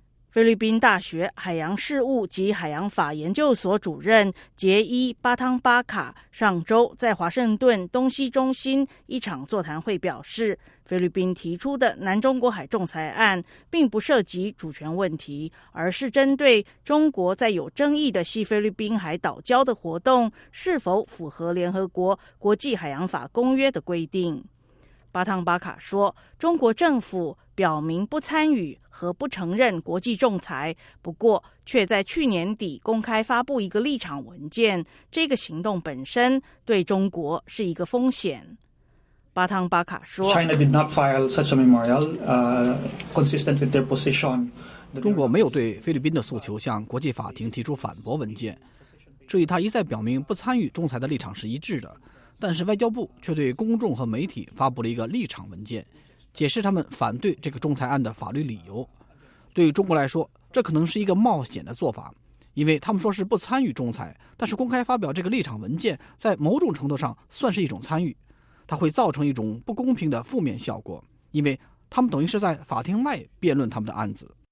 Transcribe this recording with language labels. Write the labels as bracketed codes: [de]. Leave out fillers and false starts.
[zh] 菲律宾大学海洋事务及海洋法研究所主任杰伊·巴汤巴卡上周在华盛顿东西中心一场座谈会表示，菲律宾提出的南中国海仲裁案并不涉及主权问题，而是针对中国在有争议的西菲律宾海岛礁的活动是否符合联合国国际海洋法公约的规定。巴汤巴卡说，中国政府表明不参与和不承认国际仲裁，不过却在去年底公开发布一个立场文件，这个行动本身对中国是一个风险。巴汤巴卡说， [en] China did not file such a memorial, consistent with their position. [zh] 中国没有对菲律宾的诉求向国际法庭提出反驳文件，这与他一再表明不参与仲裁的立场是一致的。但是外交部却对公众和媒体发布了一个立场文件，解释他们反对这个仲裁案的法律理由。对于中国来说，这可能是一个冒险的做法，因为他们说是不参与仲裁，但是公开发表这个立场文件在某种程度上算是一种参与，它会造成一种不公平的负面效果，因为他们等于是在法庭外辩论他们的案子。